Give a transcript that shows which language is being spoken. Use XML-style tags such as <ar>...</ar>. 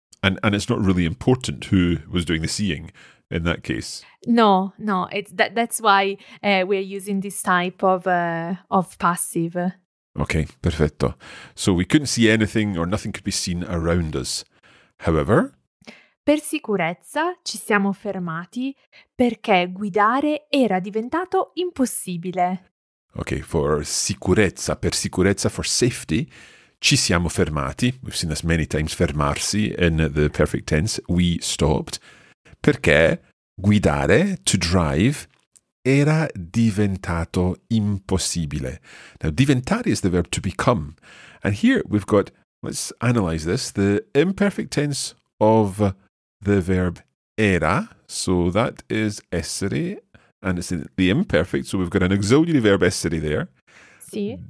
<en>And it's not really important who was doing the seeing in that case. No, it's that's why we're using this type of passive.</en> <it>Okay, perfetto.</it> <en>So we couldn't see anything or nothing could be seen around us. However,</en> <it>per sicurezza ci siamo fermati perché guidare era diventato impossibile.</it> <en>Okay, for sicurezza,</en> <it>per sicurezza,</it> <en>for safety,</en> <it>Ci siamo fermati.</it> <en>We've seen this many times, fermarsi in the perfect tense. We stopped.</en> <it>Perché guidare,</it> <en>to drive,</en> <it>era diventato impossibile.</it> <en>Now, diventare is the verb to become. And here we've got, let's analyze this, the imperfect tense of the verb era. So that is essere, and it's the imperfect, so we've got an auxiliary verb essere there. Sì.</en>